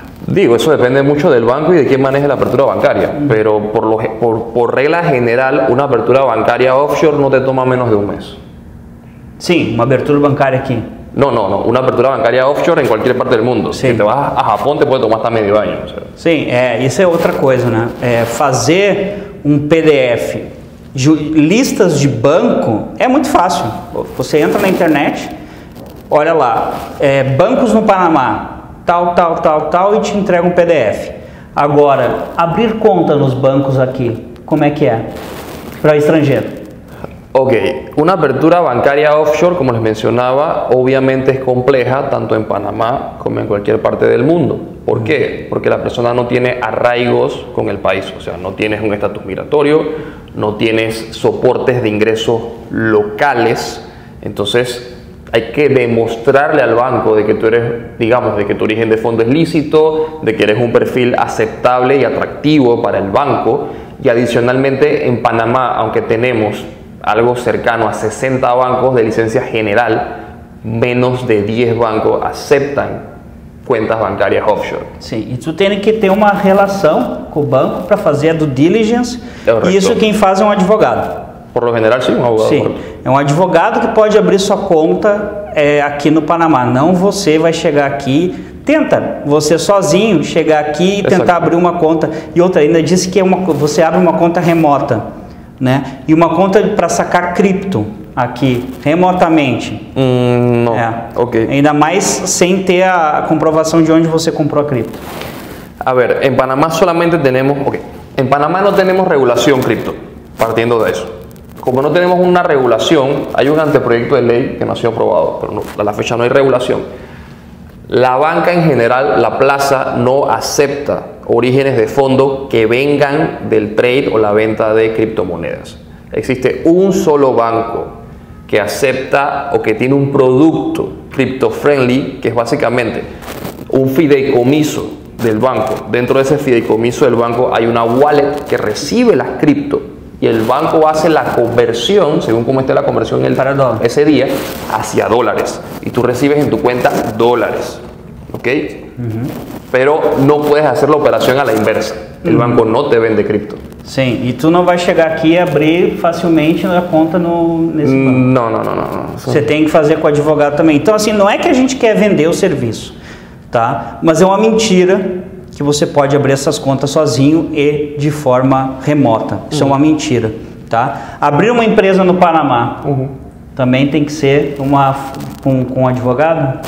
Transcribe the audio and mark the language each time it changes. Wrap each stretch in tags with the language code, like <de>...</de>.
<es>Digo, eso depende mucho del banco y de quién maneje la apertura bancaria, uh-huh. pero por regla general, una apertura bancaria offshore no te toma menos de un mes. Sí, una apertura bancaria aquí. No, una apertura bancaria offshore en cualquier parte del mundo. Sí. Si te vas a Japón, te puede tomar hasta medio año. O sea. Sí, esa es otra cosa, ¿no? Hacer un PDF.</es> <pt>Listas de banco é muito fácil. Você entra na internet, olha lá, bancos no Panamá, tal, tal, tal, tal, e te entrega um PDF. Agora, abrir conta nos bancos aqui, como é que é? Para estrangeiro. Ok, uma abertura bancária offshore, como les mencionava, obviamente é compleja, tanto em Panamá como em qualquer parte do mundo.</pt> <es>¿Por qué? Porque la persona no tiene arraigos con el país, o sea, no tienes un estatus migratorio, no tienes soportes de ingresos locales. Entonces, hay que demostrarle al banco de que tú eres, digamos, de que tu origen de fondo es lícito, de que eres un perfil aceptable y atractivo para el banco. Y adicionalmente, en Panamá, aunque tenemos algo cercano a 60 bancos de licencia general, menos de 10 bancos aceptan cuentas bancarias offshore. Sí, y tú tienes que tener una relación con el banco para hacer due diligence. Correcto. Y eso quien hace es un abogado. Por lo general,</es> <pt>sim, um advogado. Sim, é um advogado que pode abrir sua conta aqui no Panamá. Não você vai chegar aqui, tenta você sozinho chegar aqui e tentar abrir uma conta. E outra, ainda disse que você abre uma conta remota, né? E uma conta para sacar cripto aqui, remotamente. Não, é. Ok. Ainda mais sem ter a comprovação de onde você comprou a cripto. A ver, em Panamá solamente temos... Ok, em Panamá não temos regulação cripto, partindo de isso.</pt> <es>Como no tenemos una regulación, hay un anteproyecto de ley que no ha sido aprobado, pero no, a la fecha no hay regulación. La banca en general, la plaza, no acepta orígenes de fondo que vengan del trade o la venta de criptomonedas. Existe un solo banco que acepta o que tiene un producto crypto-friendly, que es básicamente un fideicomiso del banco. Dentro de ese fideicomiso del banco hay una wallet que recibe las cripto. Y el banco hace la conversión, según cómo esté la conversión en el ese día, hacia dólares. Y tú recibes en tu cuenta dólares. ¿Ok? Uh-huh. Pero no puedes hacer la operación a la inversa. El uh-huh. banco no te vende cripto. Sí, y tú no vas a llegar aquí a abrir fácilmente la cuenta en ese banco. No.</es> <pt>Você tem que fazer com o advogado também. Então, assim, não é que a gente quer vender o serviço, tá? Mas é uma mentira que você pode abrir essas contas sozinho e de forma remota. Isso é uma mentira, tá? Abrir uma empresa no Panamá também tem que ser com um advogado?</pt>